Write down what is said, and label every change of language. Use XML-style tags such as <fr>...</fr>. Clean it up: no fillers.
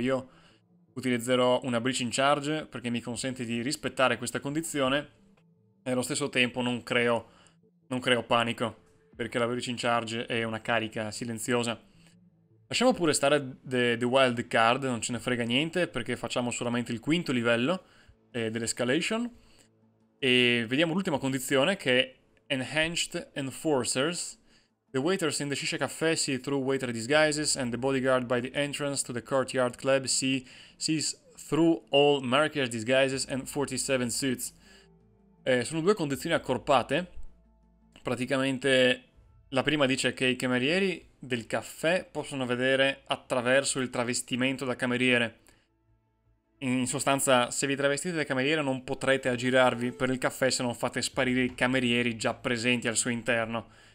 <it>Io utilizzerò una breaching charge perché mi consente di rispettare questa condizione e allo stesso tempo non creo panico perché la breaching charge è una carica silenziosa. Lasciamo pure stare the wild card, non ce ne frega niente perché facciamo solamente il quinto livello dell'escalation. E vediamo l'ultima condizione che è Enhanced Enforcers.</it> <en>The waiters in the Shisha Cafe see through waiter disguises and the bodyguard by the entrance to the Courtyard Club sees through all Marrakesh disguises and 47 suits.</en> <it>Sono due condizioni accorpate. Praticamente la prima dice che i camerieri del caffè possono vedere attraverso il travestimento da cameriere. In sostanza, se vi travestite da cameriere non potrete aggirarvi per il caffè se non fate sparire i camerieri già presenti al suo interno.</it>